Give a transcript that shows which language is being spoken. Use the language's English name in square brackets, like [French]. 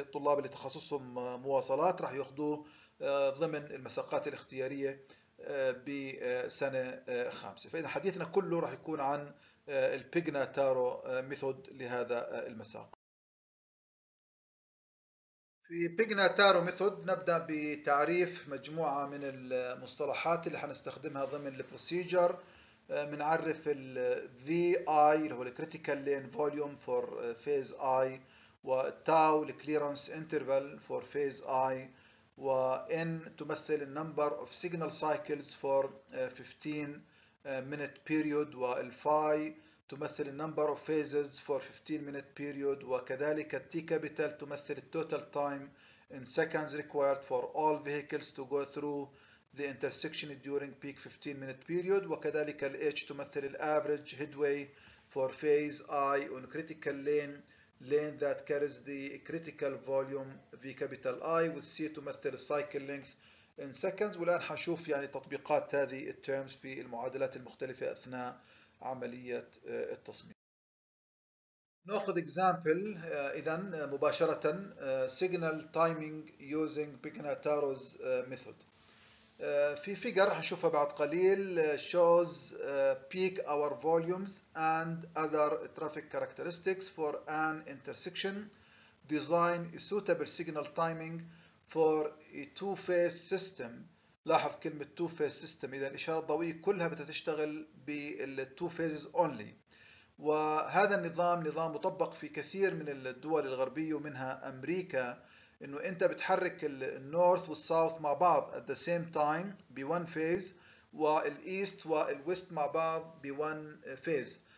[Arabic] الطلاب اللي تخصصهم مواصلات راح ياخذوه ضمن المساقات الاختيارية بسنة خامسة. فإذا حديثنا كله راح يكون عن البيجنا تارو ميثود لهذا المساق. في بيجنا تارو ميثود نبدأ بتعريف مجموعة من المصطلحات اللي حنستخدمها ضمن البروسيجر. [English] منعرف الـ VI [Arabic] اللي هو الـ [English] Critical Lane Volume for Phase I، و Tau الـ Clearance Interval for Phase I، و N [Arabic] تمثل الـ [English] Number of Signal Cycles for 15-Minute Period، و Phi تمثل الـ Number of Phases for 15-Minute Period، وكذلك الـ T Capital تمثل الـ Total Time in Seconds Required for All Vehicles to Go Through the intersection during peak 15-minute period، [Arabic] وكذلك الـ [English] H [Arabic] تمثل الـ [English] average headway for phase I on critical lane lane that carries the critical volume V capital I، والـ C تمثل الـ cycle length in seconds. [Arabic] والآن حنشوف يعني تطبيقات هذه الـ terms في المعادلات المختلفة أثناء عملية التصميم. نأخذ example إذن مباشرة [English] signal timing using Pignataro's method. في figure [Arabic] هنشوفها بعد قليل [English] shows peak hour volumes and other traffic characteristics for an intersection. Design a suitable signal timing for a two-phase system. [Arabic] لاحظ كلمة two-phase system، إذا الإشارة الضوئية كلها بتشتغل بال [English] two phases only. [Arabic] وهذا النظام نظام مطبق في كثير من الدول الغربية ومنها أمريكا، انه انت بتحرك النورث والساوث مع بعض [English] at the same time [Arabic] ب one phase، والايست والويست مع بعض ب one phase.